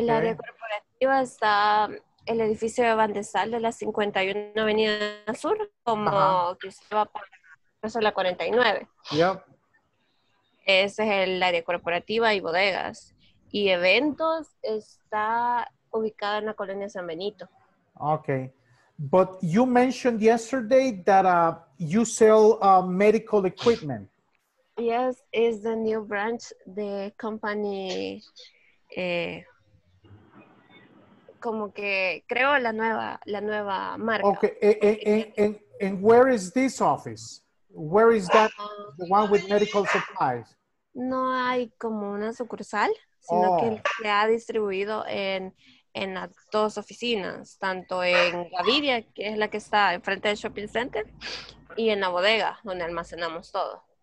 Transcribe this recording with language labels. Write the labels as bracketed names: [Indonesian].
[Spanish] El área corporativa está el edificio de Bandesal de la 51 Avenida Sur, como que se va para la 49. [English] Yep. [Spanish] Ese es el área corporativa y bodegas. Y eventos está ubicada en la colonia San Benito. [English] Okay. But you mentioned yesterday that you sell medical equipment. Yes, it's the new branch, the company, [Spanish] como que creo la nueva marca. [English] Okay, and where is this office? Where is that, the one with medical supplies? [Spanish] No hay como una sucursal, sino que se ha distribuido en las dos oficinas, tanto en Gaviria, que es la que está enfrente del shopping center, y en la bodega, donde almacenamos todo.